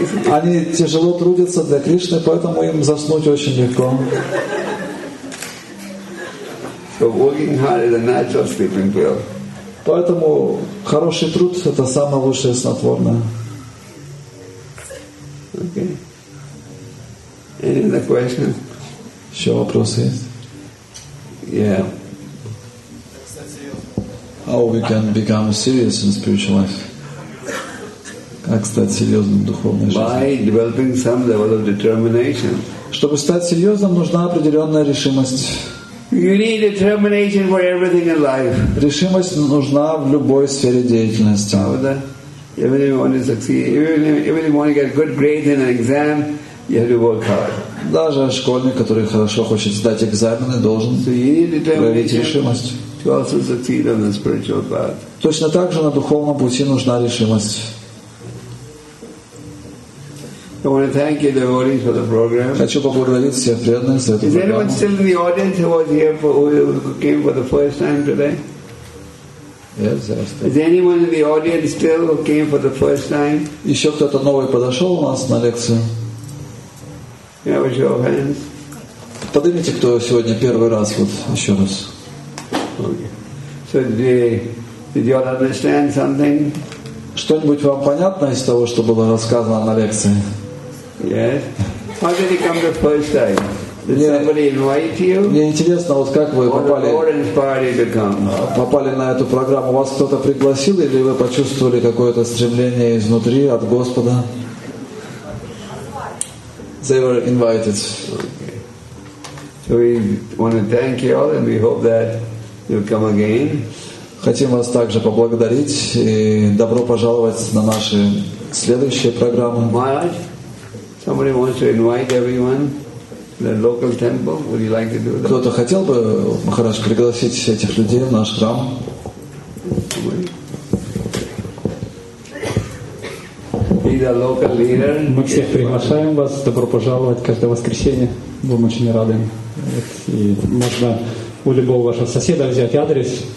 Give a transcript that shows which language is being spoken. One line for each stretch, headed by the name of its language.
Russian: Они тяжело трудятся для Кришны, поэтому им заснуть очень легко.
English: So working hard is a natural sleeping pill.
Russian: Поэтому хороший труд — это самое лучшее снотворное.
English: Okay. Any other question? Що вопросис? Yeah. How we can become serious in spiritual life?
Russian: Как стать серьезным в духовной жизни?
English: By developing some level of determination.
Russian: Чтобы стать серьезным, нужна определенная решимость.
English: You need determination for everything in life.
Russian: Решимость нужна в любой сфере деятельности.
English: Even if you want to succeed, even if you want to get good grades in an exam, you have to work hard.
Russian: Даже школьник, который хорошо хочет сдать экзамены, должен проявить решимость.
English: To also succeed on the spiritual path.
Russian: Точно так же на духовном пути нужна решимость.
English: I want to thank you, devotees, for the program.
Russian: Хочу поблагодарить всех преданных за эту программу.
English: Is anyone still in the audience who was here for who came for the first time today? Yes, yes. Is anyone in the audience still who came for the first time?
Russian: Еще кто-то новый подошел у нас на лекцию?
English: Yeah, with your hands.
Russian: Поднимите, кто сегодня первый раз вот еще раз.
English: Okay. So did you all understand something?
Russian: Что-нибудь вам понятно из того, что было рассказано на лекции?
English: Yes. How did you come the first time? Did somebody invite you?
Russian: Мне интересно, вот как вы попали.
English: Or the Lord inspired you to come.
Russian: Попали на эту программу. Вас кто-то пригласил или вы почувствовали какое-то стремление изнутри от Господа?
English: They were invited. Okay. So we want to thank you all, and we hope that you'll come again.
Russian: Хотим вас также поблагодарить и добро пожаловать на наши следующие программы.
English: Somebody wants to invite everyone to the local temple. Would you like to do that?
Russian: Кто-то хотел бы, Махарадж, пригласить этих людей в наш храм?
English: He's a local leader.
Russian: Мы всех приглашаем вас. Добро пожаловать каждое воскресенье. Будем очень рады. И можно у любого вашего соседа взять адрес.